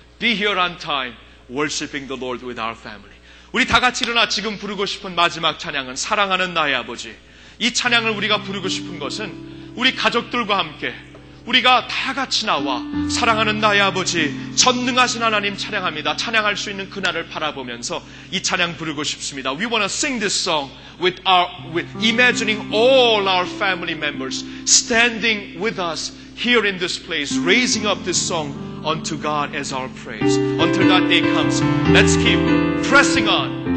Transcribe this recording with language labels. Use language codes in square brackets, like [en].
[en] Be here on time, worshiping the Lord with our family. [ko] 우리 다 같이 일어나 지금 부르고 싶은 마지막 찬양은 사랑하는 나의 아버지. 이 찬양을 우리가 부르고 싶은 것은 우리 가족들과 함께 우리가 다 같이 나와 사랑하는 나의 아버지 전능하신 하나님 찬양합니다. 찬양할 수 있는 그날을 바라보면서 이 찬양 부르고 싶습니다. [en] We want to sing this song with imagining all our family members standing with us here in this place, raising up this song unto God as our praise. Until that day comes, let's keep pressing on.